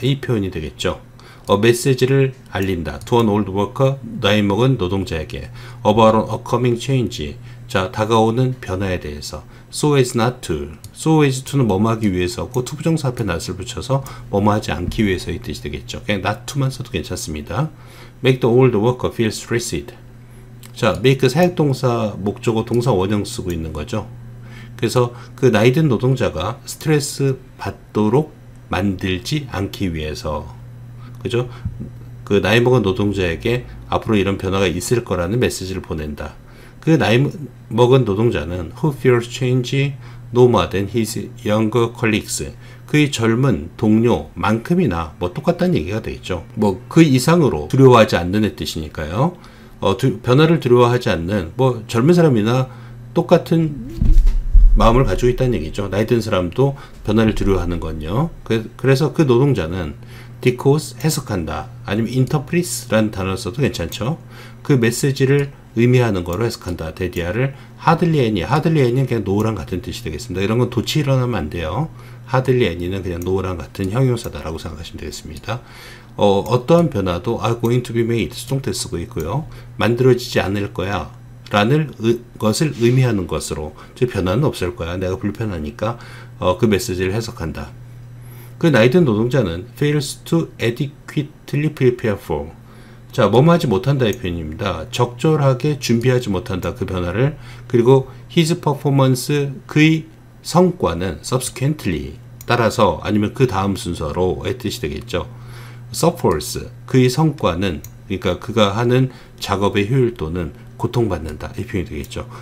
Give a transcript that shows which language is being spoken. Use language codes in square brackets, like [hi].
[ko] 이 표현이 되겠죠. A 메시지를 알린다. [en] To an old worker, [ko] 나이 먹은 노동자에게. [en] About a coming change. [ko] 자, 다가오는 변화에 대해서. [en] So as not to. [ko] So as to는 뭐뭐 하기 위해서고, to 부정사 앞에 not을 붙여서 뭐뭐 하지 않기 위해서의 뜻이 되겠죠. 그냥 not to만 써도 괜찮습니다. [en] Make the old worker feel stressed. [ko] 자, make 사역동사 목적어 동사 원형 쓰고 있는 거죠. 그래서 그 나이 든 노동자가 스트레스 받도록 만들지 않기 위해서. 그죠? 그 나이 먹은 노동자에게 앞으로 이런 변화가 있을 거라는 메시지를 보낸다. 그 나이 먹은 노동자는 [en] who fears change no more than his younger colleagues. [ko] 그의 젊은 동료만큼이나 뭐 똑같다는 얘기가 되겠죠. 뭐그 이상으로 두려워하지 않는 뜻이니까요. 변화를 두려워하지 않는 뭐 젊은 사람이나 똑같은 마음을 가지고 있다는 얘기죠. 나이 든 사람도 변화를 두려워하는 건요. 그래서 그 노동자는 decode 해석한다. 아니면 interpret라는 단어 써도 괜찮죠. 그 메시지를 의미하는 거로 해석한다. 데디아를 [en] hardly any. [ko] hardly any는 그냥 no랑 같은 뜻이 되겠습니다. 이런 건 도치 일어나면 안 돼요. hardly any는 그냥 no랑 같은 형용사다라고 생각하시면 되겠습니다. 어떠한 변화도 [en] are going to be made. [ko] 수동태 쓰고 있고요. 만들어지지 않을 거야. 것을 의미하는 것으로. 즉, 변화는 없을 거야. 내가 불편하니까. 그 메시지를 해석한다. 그 나이 든 노동자는 [en] fails to adequately prepare for. [ko] 자, 뭐뭐 하지 못한다의 표현입니다. 적절하게 준비하지 못한다. 그 변화를. 그리고 [en] his performance, [ko] 그의 성과는 subsequently 따라서 아니면 그 다음 순서로의 뜻이 되겠죠. suffers, 그의 성과는, 그러니까 그가 하는 작업의 효율도는 고통받는다. 이 표현이 되겠죠.